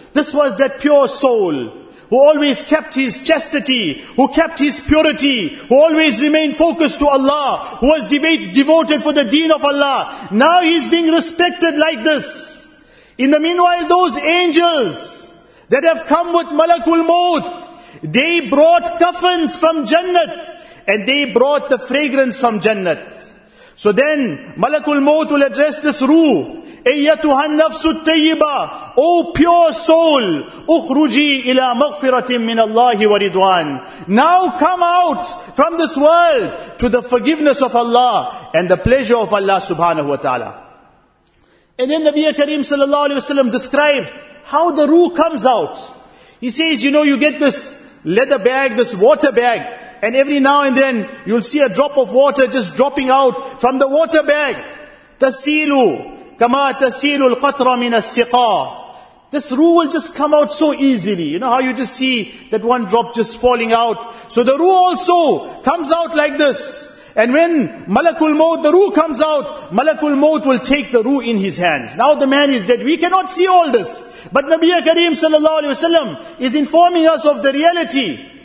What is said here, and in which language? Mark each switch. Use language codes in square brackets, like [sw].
[en] This was that pure soul who always kept his chastity, who kept his purity, who always remained focused to Allah, who was devoted for the deen of Allah. Now he's being respected like this. In the meanwhile, those angels that have come with Malakul Maut, they brought coffins from Jannat and they brought the fragrance from Jannat. So then Malakul Maut will address this ruh. [ar] أَيَّتُهَا النَّفْسُ الطَّيِّبَةُ, [en] O pure soul, [ar] أُخْرُجِي إِلَى مَغْفِرَةٍ مِّنَ اللَّهِ وَرِضْوَانٍ. [en] Now come out from this world to the forgiveness of Allah and the pleasure of Allah subhanahu wa ta'ala. And then Nabi Kareem sallallahu alayhi wa sallam described how the ruh comes out. He says, you know, you get this leather bag, this water bag, and every now and then you'll see a drop of water just dropping out from the water bag. [ar] تَسِيلُ كَمَا تَسِيلُ الْقَطْرَ مِنَ السِّقَاءِ. [en] This ruh will just come out so easily. You know how you just see that one drop just falling out. So the ruh also comes out like this. And when Malakul Maut, the ruh comes out, Malakul Maut will take the ruh in his hands. Now the man is dead. We cannot see all this. But Nabiya Kareem sallallahu alayhi wa sallam is informing us of the reality.